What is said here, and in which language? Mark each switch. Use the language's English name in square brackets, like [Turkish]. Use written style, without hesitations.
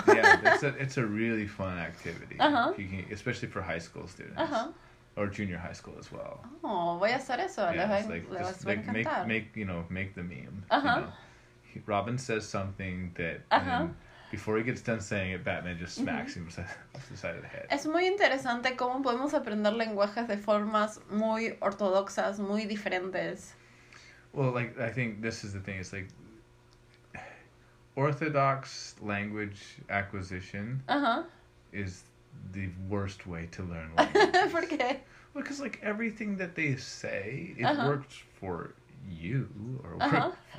[English] Yeah, it's a really fun activity, especially for high school students. Or junior high school as well. [Spanish] Oh, voy a hacer eso. Yeah, [English] make the meme. Robin says something that before he gets done saying it, Batman just smacks him the side of the head. [Spanish] Es muy interesante cómo podemos aprender lenguajes de formas muy ortodoxas, muy diferentes. [English] Well, like, I think this is the thing. It's like orthodox language acquisition is the worst way to learn [Spanish] language. ¿Por qué? [English] Because, like, everything that they say, it uh-huh. works for you. Or uh-huh.